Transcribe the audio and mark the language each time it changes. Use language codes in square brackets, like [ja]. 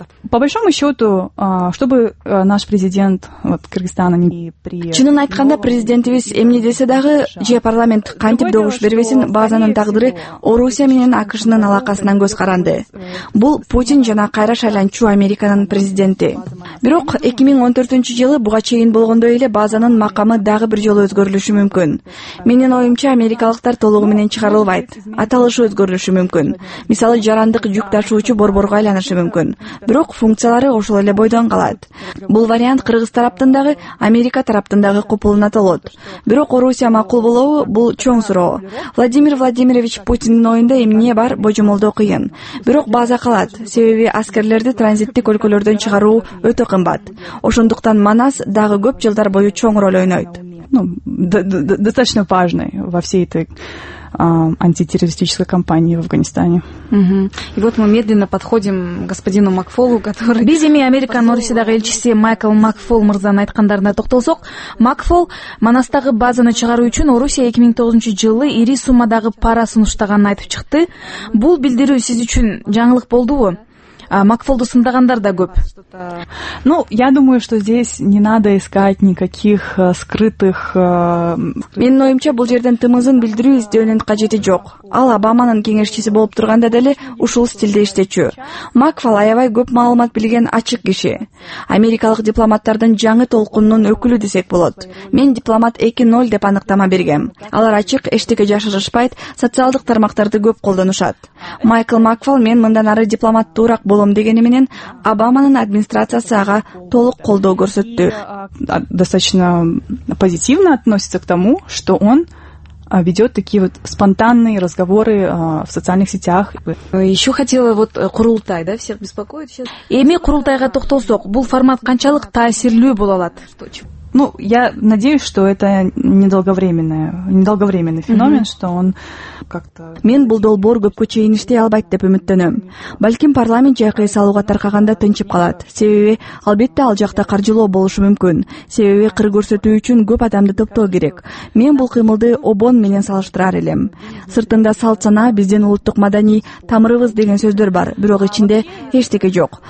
[ru] По большому счету, чтобы наш президент вот Кыргызстанын [ky] чынын айтканда президентибиз эмне десе дагы же парламент кантип добуш бербесин, базанын тагдыры Орусия менен АКШнын алакасынан көз каранды. Бул Путин жана кайра шайланчу Американын президенти. Бирок 2014 жылы буга чейин болгондой эле базанын макамы дагы бир жолу өзгөрүлүшү мүмкүн. Менин оюмча америкалыктар толугу менен чыгарылбайт. Аталышы өзгөрүлүшү мүмкүн. Мисалы жарандык жүк ташуучу борборго айланышы мүмкүн. Бирок функциялары ошол эле бойдон калат. Бул вариант кыргыз тараптындагы, Америка тараптындагы купулун аталат. Бирок Орусия макул болобу бул чоң суроо. Владимир Владимирович Путиндин оюнда эмне бар божомолдоо кыйын. Бирок база калат, себеби аскерлерди транзиттик өлкөлөрдөн чыгаруу өтө кымбат. Ошондуктан Манас дагы көп жылдар бою чоң роль ойнойт. [ru] Ну, достаточно важный во всей этой антитеррористической кампании в Афганистане. Угу. И вот мы медленно подходим к господину Макфолу, который... [ky] Биз эми Американын Орусиядагы элчиси Майкл Макфол мырзанын айткандарына токтолсок, Макфол Манастагы базаны чыгаруу үчүн Орусия 2009 жылы ири суммадагы пара сунуштаганын айтып чыкты. Бул билдирүү сиз үчүн жаңылык болдубу? Макфолду сындагандар да көп. [ru] Ну, я думаю, что здесь не надо искать никаких скрытых... [ky] Менин оюмча бул жерден тымызын билдирүү издөөнүн кажети жок. Ал Обаманын кеңешчиси болуп турганда деле ушул стилде иштечү. Макфол аябай көп маалымат билген ачык киши. Америкалык дипломаттардын жаңы толкунунун өкүлү десек болот. Мен дипломат 2.0 деп аныктама бергем. Алар ачык, эчтеке жашырышпайт, социалдык тармактарды көп колдонушат. Майкл Макфол мен мындан ары дипломат туурак болом дегени менен Обаманын администрациясы ага толук колдоо көрсөттү. [ru] Достаточно позитивно относится к тому, что он ведет такие вот спонтанные разговоры в социальных сетях. Еще хотела вот курултай, да, всех беспокоит сейчас. [ky] Эми курултайга токтолсок, бул формат канчалык таасирлүү боло алат? [ru] Ну, я надеюсь, что это недолговременный феномен, что он как-то... [ky] Мен бул долбоор көпкө чейин иштей албайт деп үмүттөнөм. Балким парламент жайкы эс алууга таркаганда тынчып калат. Себеби, албетте ал жакта каржылоо болушу мүмкүн. Себеби, кыр көрсөтүү үчүн көп адамды топтоо керек. Мен бул кыймылды Обон менен салыштырар элем. Сыртында салтана, биздин улуттук маданий тамырыбыз деген сөздөр бар, бирок ичинде эчтеке жок.